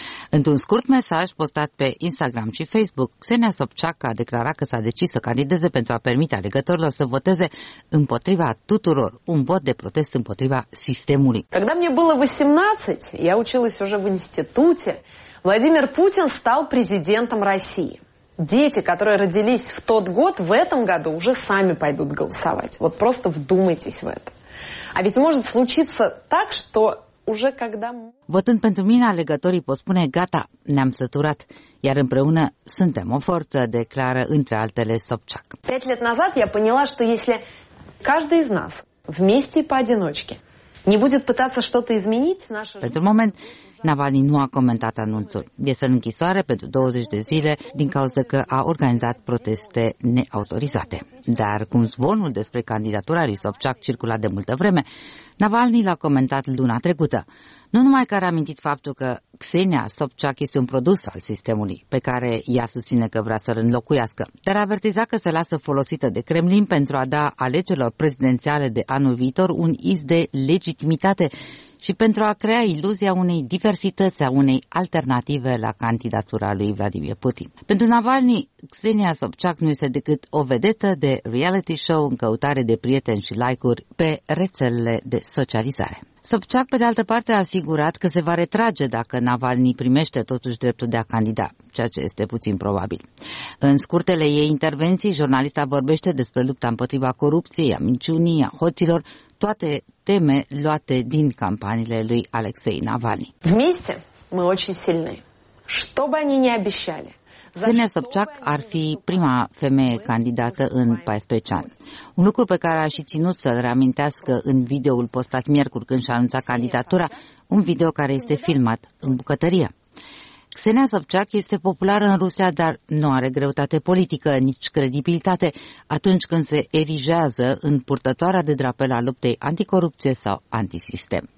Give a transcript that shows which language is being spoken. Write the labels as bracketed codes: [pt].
[ro] Într-un scurt mesaj postat pe Instagram și Facebook, Xenia Sobchak a declarat că s-a decis să candideze pentru a permite alegătorilor să voteze împotriva tuturor, un vot de protest împotriva sistemului. Când am fost 18, am învățat deja în institut, Vladimir Putin a fost președintele României. [ru] Дети, которые родились в тот год, в этом году уже сами пойдут голосовать. Вот просто вдумайтесь в это. А ведь может случиться так, что уже когда... [ro] Votând pentru mine, alegătorii pot spune, gata, ne-am săturat, iar împreună suntem o forță, declară între altele Sobchak. [ru] 5 лет назад я поняла, что если каждый из нас вместе и поодиночке не будет пытаться что-то изменить... [ro] Pentru moment... Navalny nu a comentat anunțul. Este în închisoare pentru 20 de zile din cauza că a organizat proteste neautorizate. Dar cum zvonul despre candidatura lui Sobchak circula de multă vreme, Navalny l-a comentat luna trecută. Nu numai că a reamintit faptul că Xenia Sobchak este un produs al sistemului pe care ea susține că vrea să-l înlocuiască, dar a avertizat că se lasă folosită de Kremlin pentru a da alegerilor prezidențiale de anul viitor un iz de legitimitate și pentru a crea iluzia unei diversități, a unei alternative la candidatura lui Vladimir Putin. Pentru Navalny, Xenia Sobchak nu este decât o vedetă de reality show în căutare de prieteni și like-uri pe rețelele de socializare. Sobchak, pe de altă parte, a asigurat că se va retrage dacă Navalny primește totuși dreptul de a candida, ceea ce este puțin probabil. În scurtele ei intervenții, jurnalista vorbește despre lupta împotriva corupției, a minciunii, a hoților, toate teme luate din campaniile lui Alexei Navalny. [ru] Вместе мы очень сильны, что бы они ни обещали. [ro] Xenia Sobchak ar fi prima femeie candidată în 14 ani. Un lucru pe care a și ținut să-l reamintească în videoul postat miercuri când și-a anunțat candidatura, un video care este filmat în bucătărie. Xenia Sobchak este populară în Rusia, dar nu are greutate politică, nici credibilitate, atunci când se erigează în purtătoarea de drapel a luptei anticorupție sau antisistem.